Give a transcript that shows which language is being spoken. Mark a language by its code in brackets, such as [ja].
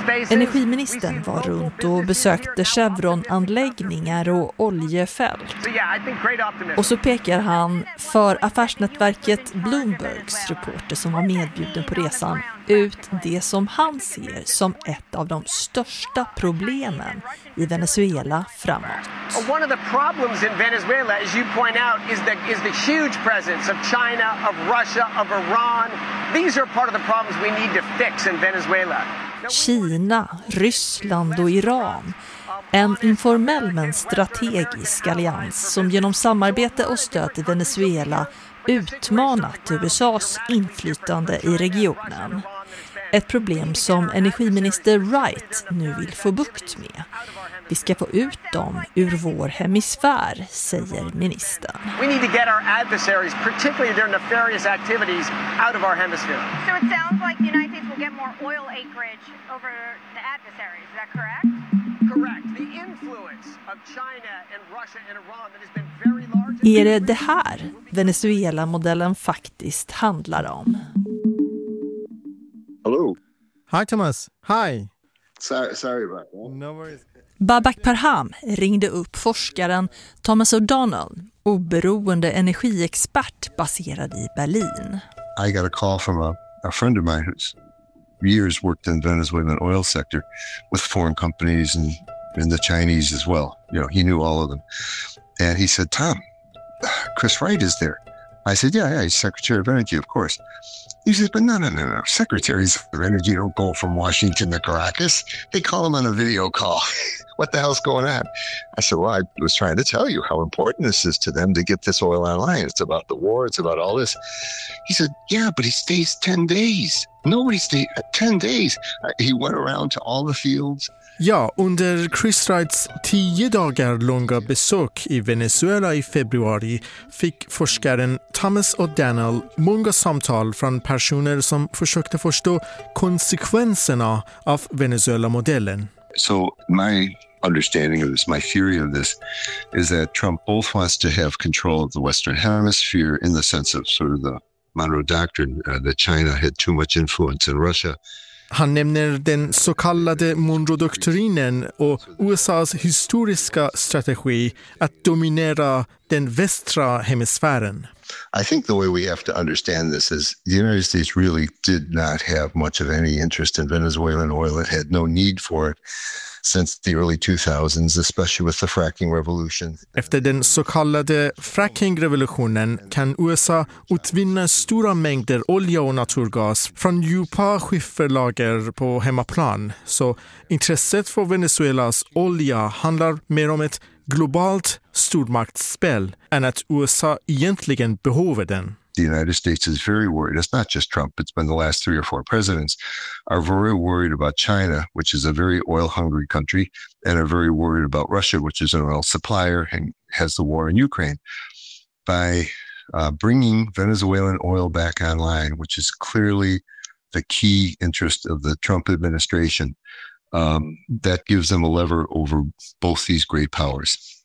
[sv] Energiministern var runt och besökte Chevron-anläggningar och oljefält. Och så pekar han för affärsnätverket Bloombergs reporter som var medbjuden på resan ut det som han ser som ett av de största problemen i Venezuela framåt. [en] One of the problems in Venezuela, as you point out, is the huge presence of China, of Russia, of Iran. These are part of the problems we need to fix in Venezuela. [sv] Kina, Ryssland och Iran. En informell men strategisk allians som genom samarbete och stöd till Venezuela utmanat USAs inflytande i regionen. Ett problem som energiminister Wright nu vill få bukt med. Vi ska få ut dem ur vår hemisfär, säger ministern. [en] We need to get our adversaries, particularly their nefarious activities, out of our hemisphere. So it sounds like the United States will get more oil acreage over the adversaries, is that correct? Correct. The influence of China and Russia and Iran that has been very large. [sv] Är det det här Venezuela-modellen faktiskt handlar om? [en] Hello. Hi Thomas. Hi. Sorry about that. No worries. [sv] Babak Parham ringde upp forskaren Thomas O'Donnell, oberoende energiexpert baserad i Berlin. [en] I got a call from a friend of mine who's years worked in Venezuelan oil sector with foreign companies and in the Chinese as well. You know, he knew all of them. And he said, "Tom, Chris Wright is there." I said, "Yeah, he's Secretary of Energy, of course." He says, "But no. Secretaries of Energy don't go from Washington to Caracas. They call them on a video call. What the hell's going on?" I said, "Well, I was trying to tell you how important this is to them to get this oil online. It's about the war. It's about all this." He said, "Yeah, but he stays 10 days. Nobody stays 10 days. He went around to all the fields." [sv] Ja, under Chris Wrights 10 dagar långa besök i Venezuela i februari fick forskaren Thomas O'Donnell många samtal från personer som försökte förstå konsekvenserna av Venezuela-modellen. [en] So my understanding of this, my theory of this, is that Trump both wants to have control of the Western Hemisphere in the sense of sort of the Monroe Doctrine, that China had too much influence in Russia. [sv] Han nämner den så kallade Monroe-doktrinen och USAs historiska strategi att dominera den västra hemisfären. [en] I think the way we have to understand this is the United States really did not have much of any interest in Venezuelan oil. It had no need for it since the early 2000s, especially with the fracking revolution. [sv] Efter den så kallade fracking-revolutionen kan USA utvinna stora mängder olja och naturgas från djupa skifferlager på hemmaplan. Så intresset för Venezuelas olja handlar mer om ett globalt stormaktsspel än att USA egentligen behöver den. [en] The United States is very worried. It's not just Trump. It's been the last three or four presidents are very worried about China, which is a very oil-hungry country, and are very worried about Russia, which is an oil supplier and has the war in Ukraine. By bringing Venezuelan oil back online, which is clearly the key interest of the Trump administration, that gives them a lever over both these great powers.